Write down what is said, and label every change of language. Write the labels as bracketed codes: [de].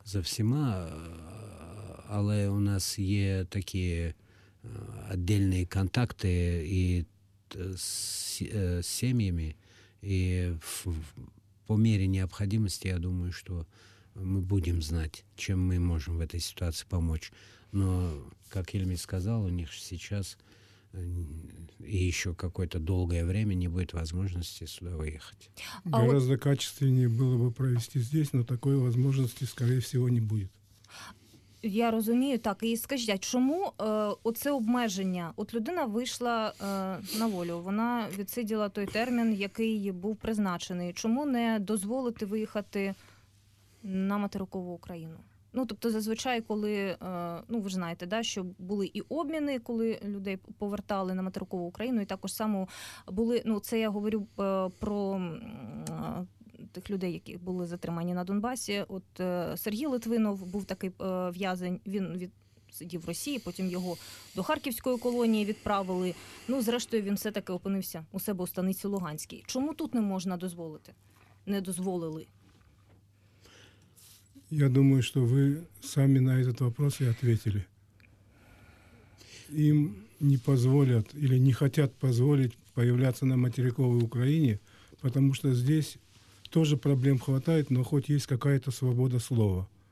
[uk] За всіма, але у нас є такі віддільні контакти і з сім'ями, і по мірі необхідності, я думаю, що ми будемо знати, чим ми можемо в цій ситуації допомогти. [ru] Но, как Ельми сказал, у них сейчас и еще какое-то долгое время не будет возможности сюда выехать. Гораздо качественнее было бы провести здесь, но такой возможности, скорее всего, не будет. [uk] Я розумію, так. І скажіть, а чому оце обмеження? От людина вийшла на волю, вона відсиділа той термін, який їй був призначений. Чому не дозволити виїхати на материкову Україну? Ну, тобто, зазвичай, коли, ну, ви ж знаєте, да, що були і обміни, коли людей повертали на материкову Україну, і також само були, ну, це я говорю про тих людей, які були затримані на Донбасі. От Сергій Литвинов був такий в'язень, він сидів в Росії, потім його до Харківської колонії відправили. Ну, зрештою, він все-таки опинився у себе у Станиці Луганській. Чому тут не можна дозволити? Не дозволили? [ru] Я думаю, что вы сами на этот вопрос и ответили. Им не позволят или не хотят позволить появляться на материковой Украине, потому что здесь тоже проблем хватает, но хоть есть какая-то свобода слова.